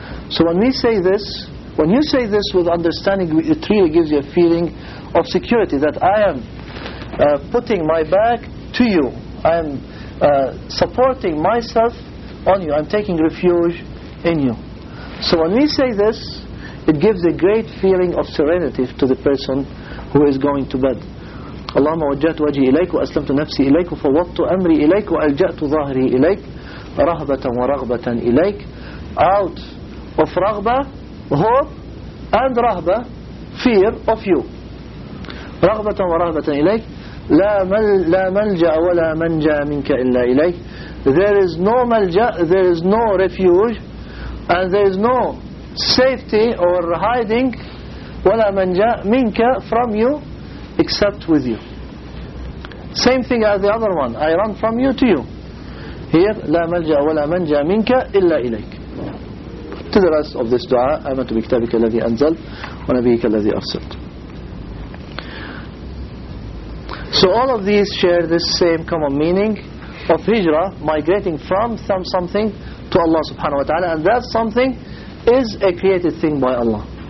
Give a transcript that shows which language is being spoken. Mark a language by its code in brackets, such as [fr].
[en] So when we say this, when you say this with understanding, it really gives you a feeling of security, that I am putting my back to you, I am supporting myself on you, I'm taking refuge in you. So when we say this, it gives a great feeling of serenity to the person who is going to bed. [ar] اللهم وجهت وجهي إليك وأسلمت نفسي إليك وفوضت أمري إليك وألجأت ظهري إليك رهبة ورغبة إليك. [en] Out of رغبة, hope and رهبة, fear of you. [ar] رغبة ورهبة إليك. لا ملجأ ولا منجا منك إلا إليك. [en] There is no ملجأ, there is no refuge, and there is no safety or hiding, [ar] ولا منجا منك, [en] from you, except with you. Same thing as the other one, I run from you to you. [ar] Here, لا ملجأ ولا منجا منك إلا إليك. [en] To the rest of this dua, [ar] آمنت بكتابك الذي أنزل ونبيك الذي أرسلت. [en] So all of these share this same common meaning of hijra, migrating from something to Allah subhanahu wa ta'ala, and that something is a created thing by Allah.